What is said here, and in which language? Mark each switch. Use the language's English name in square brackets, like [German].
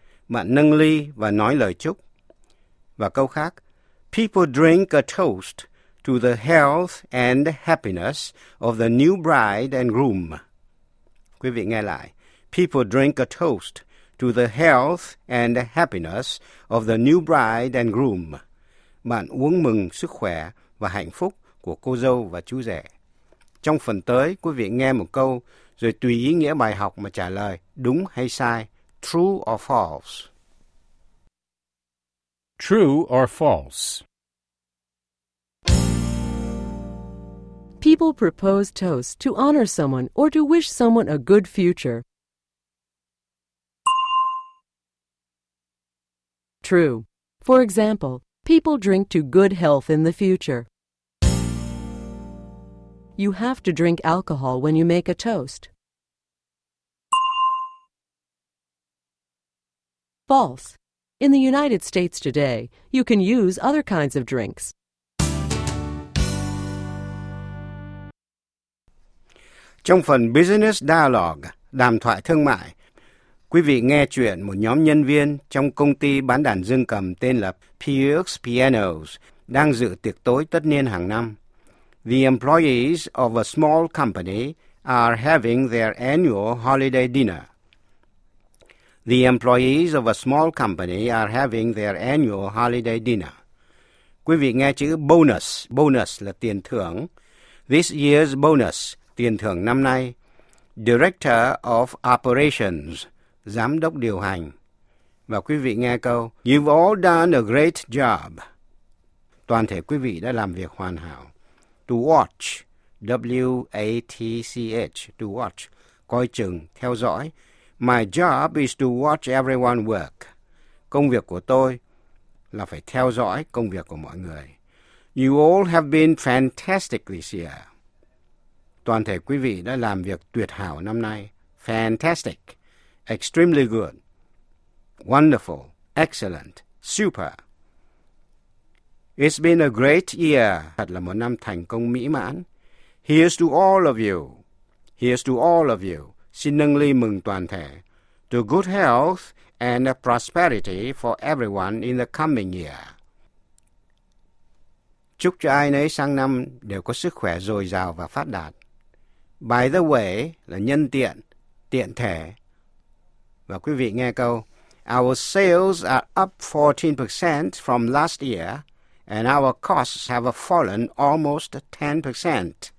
[Vietnamese] Bạn nâng ly và nói lời chúc. Và câu khác, [English] people drink a toast to the health and happiness of the new bride and groom. [Vietnamese] Quý vị nghe lại, [English] people drink a toast to the health and happiness of the new bride and groom. [Vietnamese] Bạn uống mừng sức khỏe và hạnh phúc của cô dâu và chú rể. Trong phần tới, quý vị nghe một câu, rồi tùy ý nghĩa bài học mà trả lời đúng hay sai, [English] true or false. True or false? People propose toasts to honor someone or to wish someone a good future. True. For example, people drink to good health in the future. You have to drink alcohol when you make a toast. False. In the United States today, you can use other kinds of drinks. [Vietnamese] Trong phần Business Dialogue, đàm thoại thương mại, quý vị nghe chuyện một nhóm nhân viên trong công ty bán đàn dương cầm tên là PX Pianos đang dự tiệc tối tất niên hàng năm. [English] The employees of a small company are having their annual holiday dinner. The employees of a small company are having their annual holiday dinner. [Vietnamese] Quý vị nghe chữ bonus. Bonus là tiền thưởng. [English] This year's bonus, [Vietnamese] tiền thưởng năm nay. [English] Director of operations, [Vietnamese] giám đốc điều hành. Và quý vị nghe câu, [English] you've all done a great job. [Vietnamese] Toàn thể quý vị đã làm việc hoàn hảo. [English] To watch, W-A-T-C-H, to watch, [Vietnamese] coi chừng, theo dõi. [English] My job is to watch everyone work. [Vietnamese] Công việc của tôi là phải theo dõi công việc của mọi người. [English] You all have been fantastic this year. [Vietnamese] Toàn thể quý vị đã làm việc tuyệt hảo năm nay. [English] Fantastic, extremely good, wonderful, excellent, super. It's been a great year. [Vietnamese] Thật là một năm thành công mỹ mãn. [English] Here's to all of you. Here's to all of you. [Vietnamese] Xin nâng ly mừng toàn thể. [English] To good health and prosperity for everyone in the coming year. [Vietnamese] Chúc cho ai nấy sang năm đều có sức khỏe dồi dào và phát đạt. [English] By the way [Vietnamese] là nhân tiện, tiện thể. Và quý vị nghe câu. [English] Our sales are up 14% from last year. And our costs have fallen almost 10%.